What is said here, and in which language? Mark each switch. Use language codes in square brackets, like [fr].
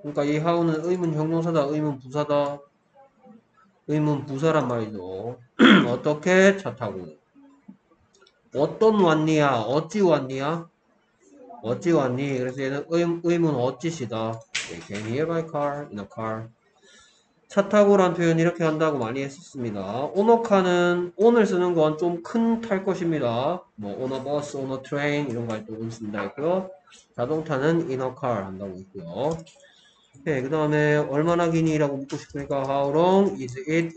[ko] 그러니까 이 how는 의문 형용사다, 의문 부사다. 의문 부사란 말이죠. 어떻게 차 타고? 어떤 왔니야? 어찌 왔니야? 어찌 왔니? 그래서 얘는 의문 어찌시다. [en] They came here by car, in a car. [ko] 차 타고란 표현 이렇게 한다고 많이 했었습니다. on a car는 on을 쓰는 건좀큰탈 것입니다. 뭐 on a bus, on a train 이런 거할때 on 쓴다 했고요. 자동차는 in a car 한다고 했고요. 네, 그 다음에 얼마나 기니라고 묻고 싶으니까 [en] how long is it?